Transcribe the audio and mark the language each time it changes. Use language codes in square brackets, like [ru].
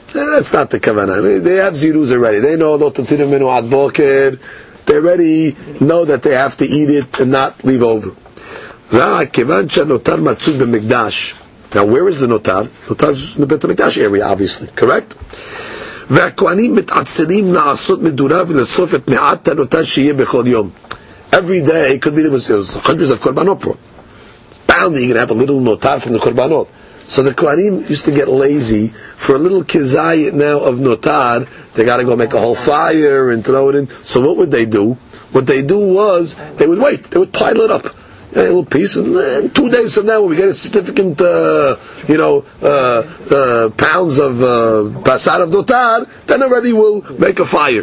[en] That's not the kavana. I mean, they have zirus already. They know [he] lo tatinu minu ad boker. [en] They already know that they have to eat it and not leave over. [he] Va'kevan shanotar matzud b'mikdash. [en] Now, where is the notar? Notar is in the Beit HaMikdash area, obviously. Correct. [he] והכהנים מתעצלים לעשות מדורה ולאסוף את מעט הנותר שיהיה בכל יום. [en] Every day, it could be there was hundreds of korbanot. It's bound that you're going to have a little notar from the korbanot. So the kohanim used to get lazy for a little kizayit now of notar. They got to go make a whole fire and throw it in. So what would they do? What they do was, they would wait. They would pile it up. A little piece, and then 2 days from now, when we get a significant, pounds of pasar of notar, then already we'll make a fire.